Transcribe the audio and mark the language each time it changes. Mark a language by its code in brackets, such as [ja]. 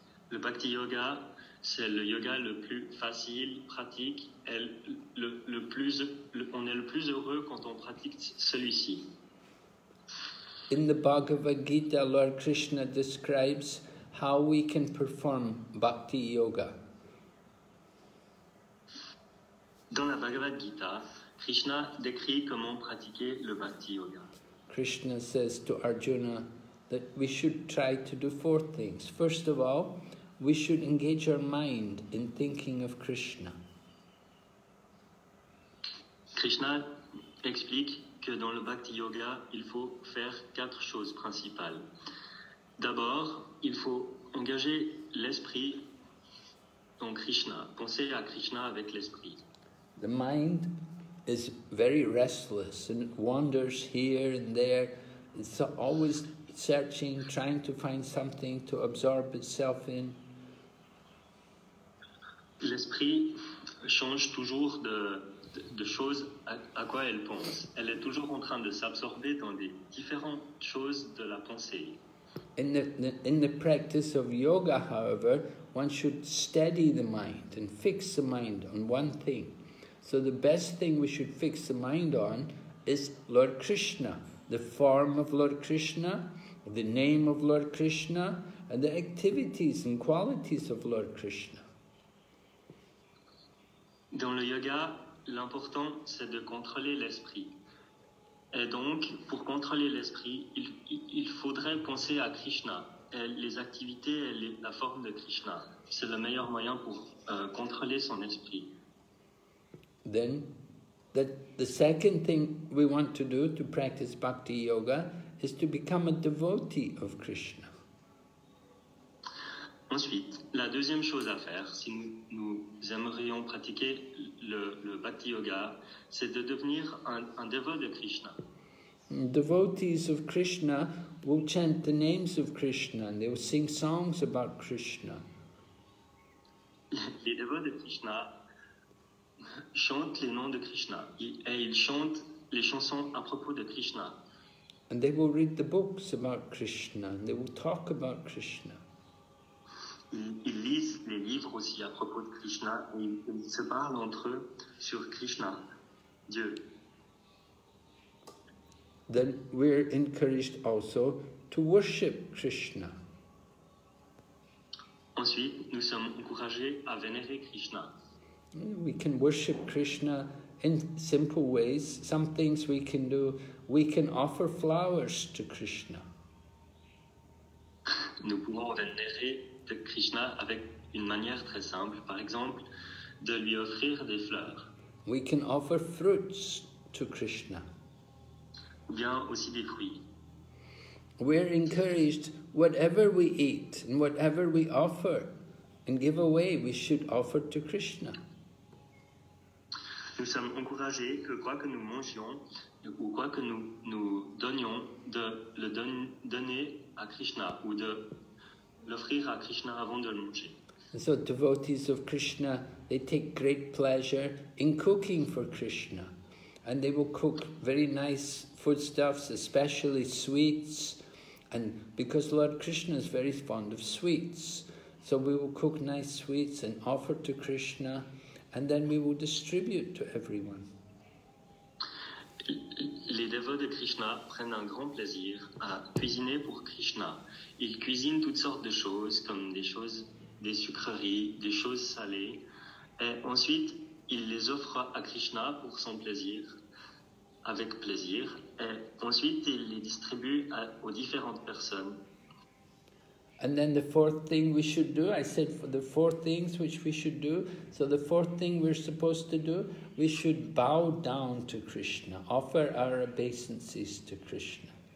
[fr] Le Bhakti Yoga, C'est le yoga le plus facile, pratique, et on est le plus heureux quand on pratique celui-ci. [en] In the Bhagavad Gita, Lord Krishna describes how we can perform bhakti yoga. [fr] Dans la Bhagavad Gita, Krishna décrit comment pratiquer le bhakti yoga. [en] Krishna says to Arjuna that we should try to do four things. First of all, we should engage our mind in thinking of Krishna. [fr] Krishna explique que dans le bhakti yoga, il faut faire quatre choses principales. D'abord, il faut engager l'esprit en Krishna, penser à Krishna avec l'esprit. [en] The mind is very restless and wanders here and there. It's always searching, trying to find something to absorb itself in. [fr] L'esprit change toujours de choses à quoi elle pense. Elle est toujours en train de s'absorber dans des différentes choses de la pensée. [en] In the practice of yoga, however, one should steady the mind and fix the mind on one thing. So the best thing we should fix the mind on is Lord Krishna, the form of Lord Krishna, the name of Lord Krishna, and the activities and qualities of Lord Krishna. [fr] Dans le yoga, l'important c'est de contrôler l'esprit. Et donc, pour contrôler l'esprit, il faudrait penser à Krishna, et les activités et la forme de Krishna. C'est le meilleur moyen pour contrôler son esprit. [en] Then, the second thing we want to do to practice bhakti yoga is to become a devotee of Krishna. [fr] Ensuite, la deuxième chose à faire, si nous aimerions pratiquer le bhakti yoga, c'est de devenir un dévot de Krishna. [en] Devotees of Krishna will chant the names of Krishna and they will sing songs about Krishna. [fr] Les dévots de Krishna chantent les noms de Krishna et ils chantent les chansons à propos de Krishna. [en] And they will read the books about Krishna and they will talk about Krishna. [fr] Ils lisent les livres aussi à propos de Krishna et ils se parlent entre eux sur Krishna, Dieu. [en] Then we're encouraged also to worship Krishna. [fr] Ensuite, nous sommes encouragés à vénérer Krishna. [en] We can worship Krishna in simple ways. Some things we can do, we can offer flowers to Krishna. [fr] Nous pouvons vénérer de Krishna avec une manière très simple, par exemple, de lui offrir des fleurs. [en] We can offer fruits to Krishna. [fr] Ou bien aussi des fruits. [en] We're encouraged, whatever we eat and whatever we offer and give away, we should offer to Krishna. [fr] Nous sommes encouragés que quoi que nous mangions ou quoi que nous donnions, de le donner à Krishna ou de l'offrir à Krishna avant de le manger. [en] And so devotees of Krishna, they take great pleasure in cooking for Krishna. And they will cook very nice foodstuffs, especially sweets. And because Lord Krishna is very fond of sweets, so we will cook nice sweets and offer to Krishna, and then we will distribute to everyone. [fr] Les [en] devotees [fr] de Krishna prennent un grand plaisir à cuisiner pour Krishna. Ils cuisinent toutes sortes de choses, comme des choses, des sucreries, des choses salées. Et ensuite, ils les offrent à Krishna pour son plaisir, avec plaisir. Et ensuite, ils les distribuent aux différentes personnes. [en] And then the fourth thing we should do, I said for the four things which we should do. So the fourth thing we're supposed to do, we should bow down to Krishna, offer our obeisances to Krishna.